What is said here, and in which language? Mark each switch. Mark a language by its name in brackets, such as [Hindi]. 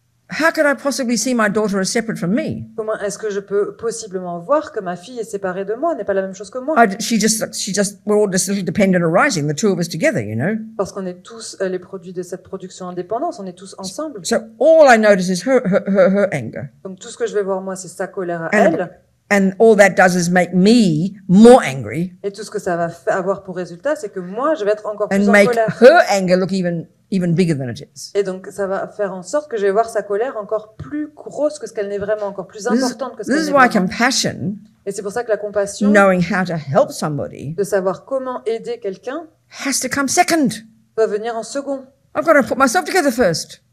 [English] How could I possibly see my daughter as separate from me? [French] Comment est-ce que je peux possiblement voir que ma fille est séparée de moi, n'est pas la même chose que moi? [English] She just we're all just a little dependent arising, the two of us together, you know? [French] Parce qu'on est tous les produits de cette production indépendance, on est tous ensemble. [English] So all I notice is her anger. [French] Donc tout ce que je vais voir moi, c'est sa colère à [English] and, [French] elle. [English] And all that does is make me more angry. [French] Et tout ce que ça va avoir pour résultat, c'est que moi, je vais être encore plus en colère. [English] And make her anger look even bigger than it is. [French] Et donc ça va faire en sorte que je vais voir sa colère encore plus grosse que ce qu'elle n'est vraiment, encore plus importante que ce qu'elle n'est. [English] This is why compassion. [French] Et c'est pour ça que la compassion, [English] knowing how to help somebody, [French] de savoir comment aider quelqu'un, [English] has to come second. [French] Va venir en second. [English] I've got to put myself together first.